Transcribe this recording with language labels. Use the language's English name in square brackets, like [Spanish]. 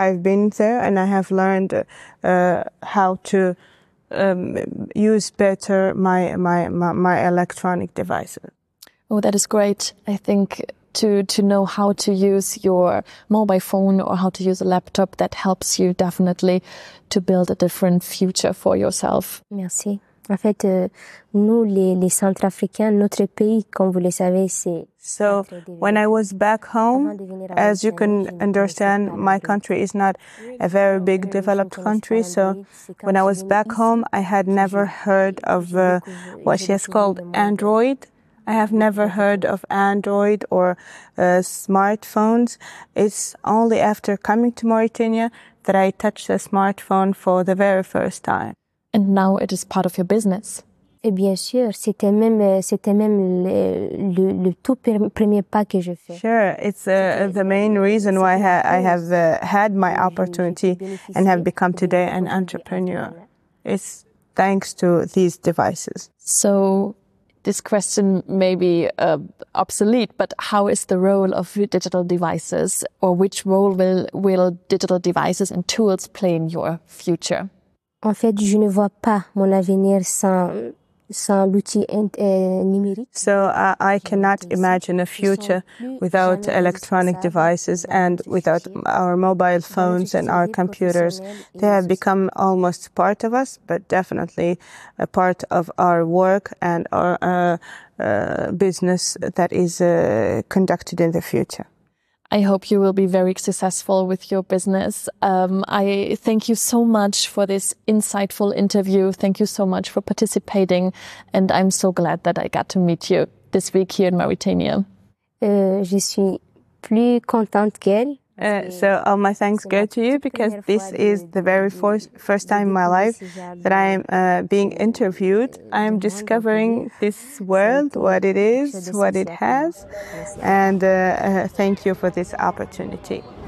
[English] I've been there and I have learned how to use better my electronic devices. Oh, that is great. I think to know how to use your mobile phone or how to use a laptop, that helps you definitely to build a different future for yourself. [French] Merci. En fait, nous, les centres africains, notre pays, comme vous le savez, c'est... [English] So when I was back home, as you can understand, my country is not a very big developed country. So when I was back home, I had never heard of what she has called Android. I have never heard of Android or smartphones. It's only after coming to Mauritania that I touched a smartphone for the very first time. And now it is part of your business. [French] Et bien sûr, c'était même le tout premier pas que je fais. [English] Sure, it's the main reason why I have had my opportunity and have become today an entrepreneur. It's thanks to these devices. So this question may be obsolete, but how is the role of digital devices, or which role will digital devices and tools play in your future? [French] En fait, je ne vois pas mon avenir sans l'outil numérique. [English] So I cannot imagine a future without electronic devices and without our mobile phones and our computers. They have become almost part of us, but definitely a part of our work and our business that is conducted in the future. I hope you will be very successful with your business. I thank you so much for this insightful interview. Thank you so much for participating. And I'm so glad that I got to meet you this week here in Mauritania. [French] Je suis plus contente qu'elle. [English] So all my thanks go to you because this is the very first time in my life that I am being interviewed. I am discovering this world, what it is, what it has. And thank you for this opportunity.